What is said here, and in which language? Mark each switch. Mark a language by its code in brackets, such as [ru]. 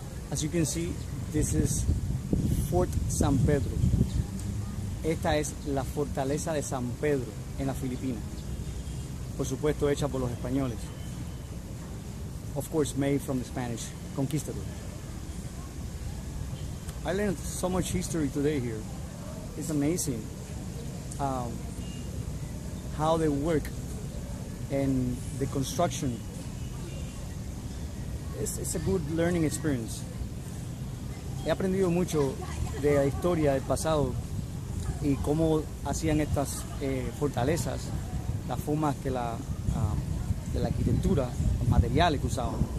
[en] As you can see, this is Fort San Pedro. [es] Esta es la fortaleza de San Pedro en la Filipina. Por supuesto, hecha por los españoles. [en] Of course, made from the Spanish conquistadors. I learned so much history today here. It's amazing how they work and the construction. It's a good learning experience. [es] He aprendido mucho de la historia del pasado y cómo hacían estas fortalezas, las formas que la de la arquitectura, los materiales que usaban.